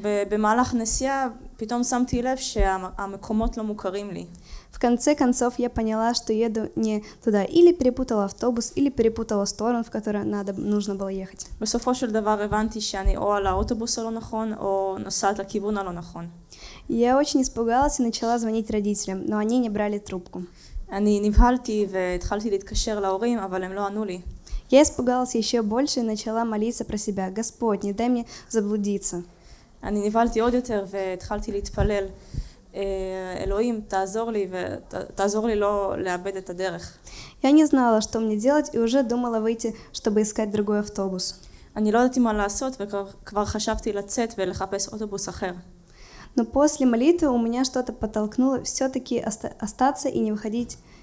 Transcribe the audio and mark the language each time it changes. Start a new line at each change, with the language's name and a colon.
Hebrew: במהלך נסיעה פתאום שמתי לב שהמקומות לא מוכרים לי.
Russian: В конце концов я поняла, что еду не туда, или перепутала автобус, или перепутала сторону, в которую надо нужно было ехать.
Hebrew: בסופו של דבר הבנתי שאני או על האוטובוס הלא נכון או נוסעת לכיוון הלא נכון.
Russian: Я очень испугалась и начала звонить родителям, но они не брали трубку.
Hebrew: אני נבהלתי והתחלתי להתקשר להורים, אבל הם לא ענו לי.
Russian: Я испугалась ещё больше и начала молиться про себя: "Господь, не дай мне заблудиться".
Hebrew: אני נבהלתי עוד יותר והתחלתי להתפלל: "אלוהים, תעזור לי ותעזור לי לא לאבד את הדרך".
Russian: Я не знала, что мне делать, и уже думала выйти, чтобы искать другой автобус.
Hebrew: אני לא ידעתי מה לעשות, וכבר חשבתי לצאת ולחפש אוטובוס אחר.
Russian: Но после молитвы у меня что-то подтолкнуло всё-таки остаться и не выходить